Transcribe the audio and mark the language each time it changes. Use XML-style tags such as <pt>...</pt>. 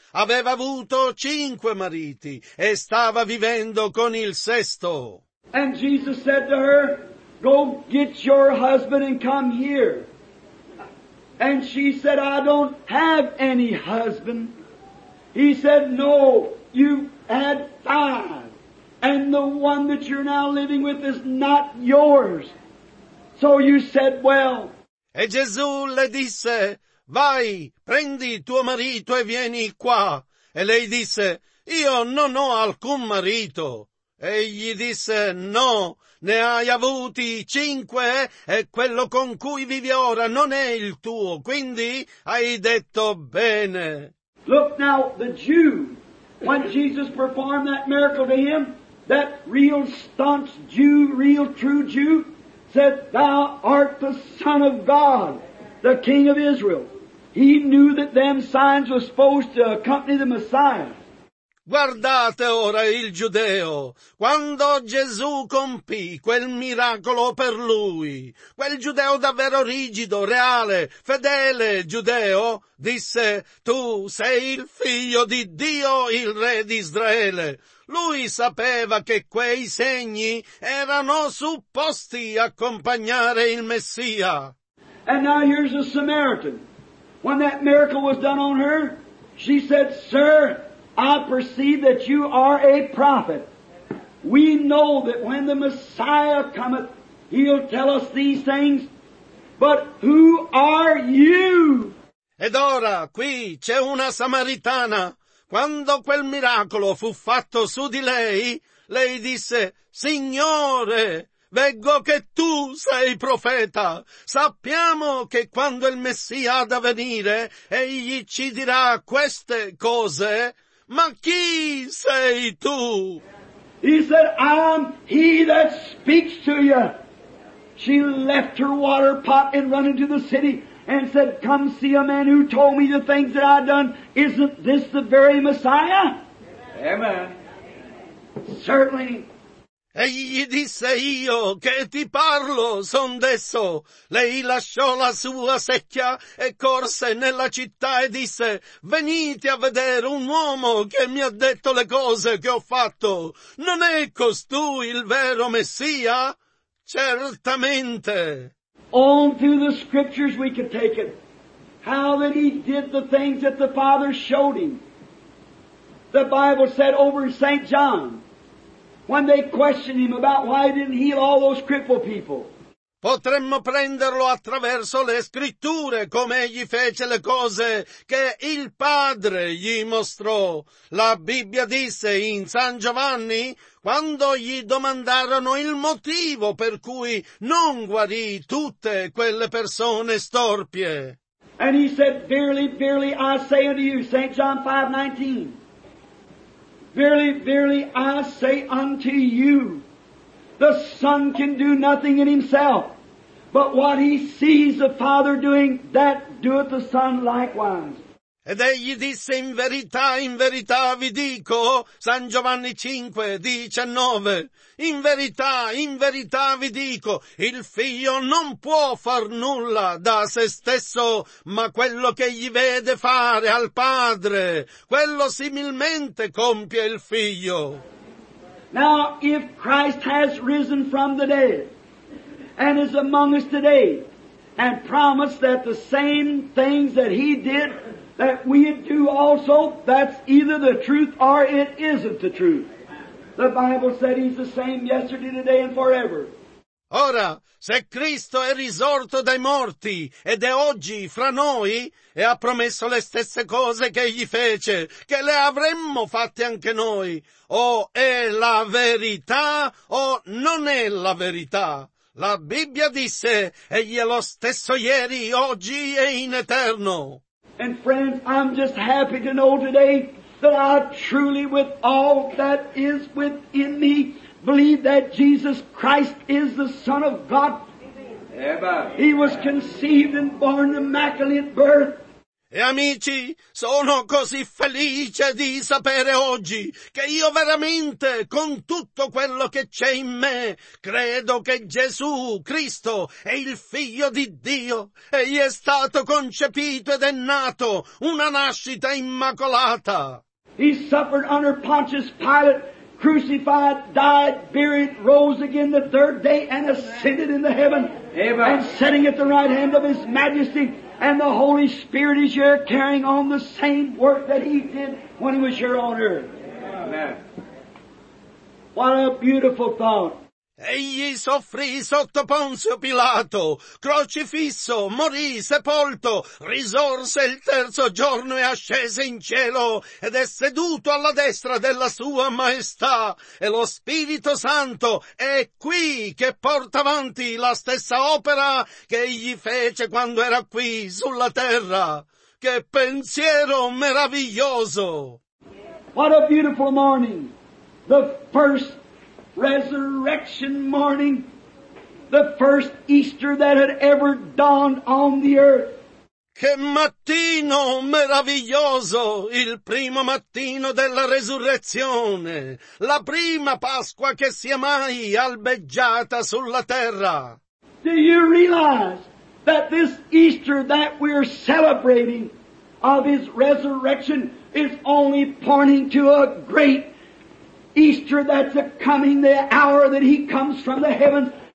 <it>Aveva avuto 5 mariti e stava vivendo con il 6th.</it> <en>And Jesus said to her, "Go get your husband and come here." And she said, "I don't have any husband." He said, "No. You had 5, and the one that you're now living with is not yours. So you said, well."</en> <it>E Gesù le disse, "Vai, prendi tuo marito e vieni qua." E lei disse, "Io non ho alcun marito." Egli disse, "No, ne hai avuti 5, e quello con cui vivi ora non è il tuo, quindi hai detto bene."</it> <en>Look now, the Jew. When Jesus performed that miracle to him, that real staunch Jew, real true Jew, said, "Thou art the Son of God, the King of Israel." He knew that them signs were supposed to accompany the Messiah.</en> <it>Guardate ora il giudeo, quando Gesù compì quel miracolo per lui, quel giudeo davvero rigido, reale, fedele giudeo, disse, "Tu sei il figlio di Dio, il re di Israele." Lui sapeva che quei segni erano supposti accompagnare il Messia.</it> <en>And now here's a Samaritan. When that miracle was done on her, she said, "Sir, I perceive that you are a prophet. We know that when the Messiah cometh, he'll tell us these things. But who are you?"</en> <it>Ed ora qui c'è una samaritana. Quando quel miracolo fu fatto su di lei, lei disse, «Signore, veggo che tu sei profeta. Sappiamo che quando il Messia ha da venire, egli ci dirà queste cose. Ma chi sei tu?»</it> <en>He said, I'm he that speaks to you. She left her water pot and run into the city and said, come see a man who told me the things that I've done. Isn't this the very Messiah? Amen. Amen. Certainly.</en> <it>E gli disse, io che ti parlo son desso. Lei lasciò la sua secchia e corse nella città e disse, venite a vedere un uomo che mi ha detto le cose che ho fatto. Non è costui il vero Messia? Certamente.</it> <en>All through the scriptures we could take it. How that he did the things that the Father showed him. The Bible said over St. John. When they questioned him about why he didn't heal all those crippled people.</en> <it>Potremmo prenderlo attraverso le scritture, come egli fece le cose che il Padre gli mostrò. La Bibbia disse in San Giovanni, quando gli domandarono il motivo per cui non guarì tutte quelle persone storpie.</it> <en>And he said, verily, verily, I say unto you, St. John 5:19. Verily, verily, I say unto you, the Son can do nothing in himself, but what he sees the Father doing, that doeth the Son likewise.</en> <it>Ed egli disse, in verità vi dico, San Giovanni 5, 19, in verità vi dico, il figlio non può far nulla da se stesso, ma quello che gli vede fare al padre, quello similmente compie il figlio.</it> <en>Now, if Christ has risen from the dead, and is among us today, and promised that the same things that he did, that we do also, that's either the truth or it isn't the truth. The Bible said he's the same yesterday, today and forever.</en> <it>Ora, se Cristo è risorto dai morti ed è oggi fra noi e ha promesso le stesse cose che egli fece, che le avremmo fatte anche noi, o è la verità o non è la verità. La Bibbia disse, egli è lo stesso ieri, oggi e in eterno.</it> <en>And friends, I'm just happy to know today that I truly, with all that is within me, believe that Jesus Christ is the Son of God. Amen. He was conceived and born the immaculate birth.</en> <it>E amici, sono così felice di sapere oggi che io veramente, con tutto quello che c'è in me, credo che Gesù Cristo è il Figlio di Dio. Egli è stato concepito ed è nato una nascita immacolata.</it> <en>He suffered under Pontius Pilate, crucified, died, buried, rose again the third day and ascended into heaven. Amen. And sitting at the right hand of His Majesty. And the Holy Spirit is here carrying on the same work that He did when He was here on earth. Amen. What a beautiful thought.</en> <it>Egli soffrì sotto Ponzio Pilato, crocifisso, morì, sepolto, risorse il terzo giorno e ascese in cielo ed è seduto alla destra della sua maestà e lo Spirito Santo è qui che porta avanti la stessa opera che egli fece quando era qui sulla terra. Che pensiero meraviglioso!</it> <en>What a beautiful morning! The first resurrection morning, the first Easter that had ever dawned on the earth.</en> <it>Che mattino meraviglioso, il primo mattino della resurrezione, la prima Pasqua che sia mai albeggiata sulla terra.</it> <en>Do you realize that this Easter that we're celebrating of His resurrection is only pointing to a great Easter that's a coming, the hour that He comes from the heavens.</en>